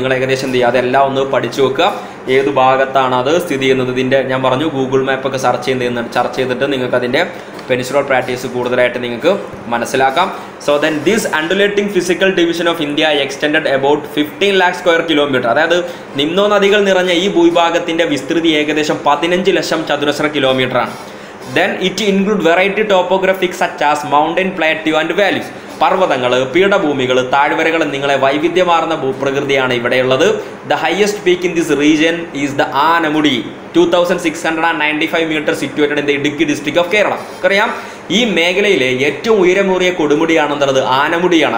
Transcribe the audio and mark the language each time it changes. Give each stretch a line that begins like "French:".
Malayalam: നിങ്ങൾ ഏകദേശം എന്ത് ചെയ്യുക, അതെല്ലാം ഒന്ന് പഠിച്ചു വെക്കുക. ഏത് ഭാഗത്താണ് അത് സ്ഥിതി ചെയ്യുന്നത്, ഇതിൻ്റെ ഞാൻ പറഞ്ഞു ഗൂഗിൾ മാപ്പൊക്കെ സെർച്ച് ചെയ്തിട്ട് നിങ്ങൾക്ക് അതിൻ്റെ പെനിൻസുലർ പ്ലാറ്റ്യൂസ് കൂടുതലായിട്ട് നിങ്ങൾക്ക് മനസ്സിലാക്കാം.
English: So then this undulating physical division of India extend about 15 lakh square kilometer.
Malayalam: അതായത് നിമ്നോ നദികൾ നിറഞ്ഞ ഈ ഭൂവിഭാഗത്തിൻ്റെ വിസ്തൃതി ഏകദേശം 15 lakh ചതുരശ്ര കിലോമീറ്ററാണ്.
English: Then it include variety topographic such as mountain plateau and valleys.
Malayalam: പർവ്വതങ്ങൾ, പീഠഭൂമികൾ, താഴ്വരകൾ നിങ്ങളെ വൈവിധ്യമാർന്ന ഭൂപ്രകൃതിയാണ് ഇവിടെയുള്ളത്.
English: The highest peak in this region is the Anamudi, 2695 meters situated in the Idukki district of Kerala.
Malayalam: നമുക്കറിയാം ഈ മേഖലയിലെ ഏറ്റവും ഉയരമേറിയ കൊടുമുടിയാണെന്നുള്ളത് ആനമുടിയാണ്.